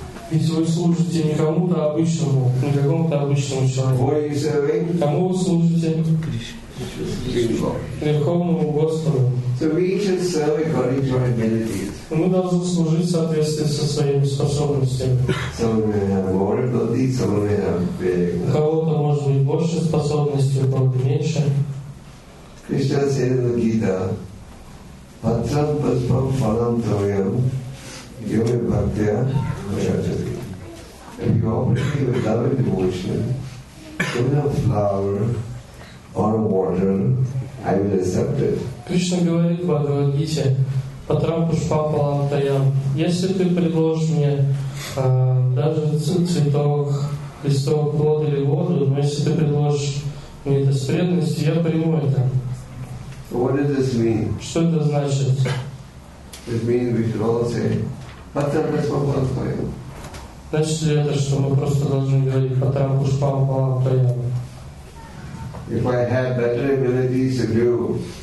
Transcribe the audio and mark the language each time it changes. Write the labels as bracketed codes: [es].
[ru] Ведь вы служите не кому-то обычному, не какому-то обычному человеку. Кому вы служите? Верховному Господу. [en] So we should serve according to our abilities. [ru] Мы должны служить в соответствии со своими способностями. [en] Some may have more abilities, some may have [ru] У кого-то может быть больше способностей, у кого-то меньше. [en] Кришна said in the Gita, [sa] Патрам Паспам Фалам Тройам Йоми Бхактия Ваячати. [en] If you offer me with love and devotion, give me a flower or water, I will accept it. [ru] Кришна говорит в Бхагавад-гите, [sa] Патрам Пушпам Фалам Тройам, [ru] если ты предложишь мне даже цветок, листовый плод или воду, но если ты предложишь мне это с преданностью, я приму это. [en] So what does this mean? [ru] Что это значит? [en] It means we should all say, [sa] Патрам Пушпам Фалам Тройам. [ru] Значит ли это, что мы просто должны говорить [sa] Патрам Пушпам Фалам Тройам? [en] If I have better abilities to do,